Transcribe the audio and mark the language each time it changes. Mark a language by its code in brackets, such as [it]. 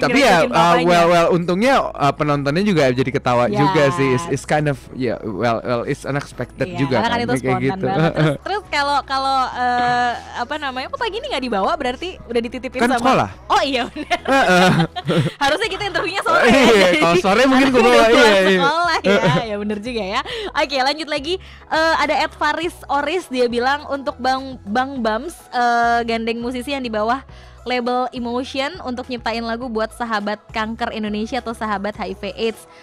[id] Tapi ya well untungnya penontonnya juga jadi ketawa juga sih. [en] It's kind of well it's unexpected juga [id] kan, itu kayak gitu. Terus kalau apa namanya, kok pagi ini nggak dibawa, berarti udah dititipin kan sama sekolah. Oh iya benar. Harusnya kita interviewnya sore. Kalau sore mungkin gue bawa. Ya bener juga ya. Oke, lanjut lagi. Ada Ed Faris Oris, dia bilang untuk Bang Bams, gandeng musisi yang di bawah label Emotion untuk nyiptain lagu buat sahabat kanker Indonesia atau sahabat HIV AIDS.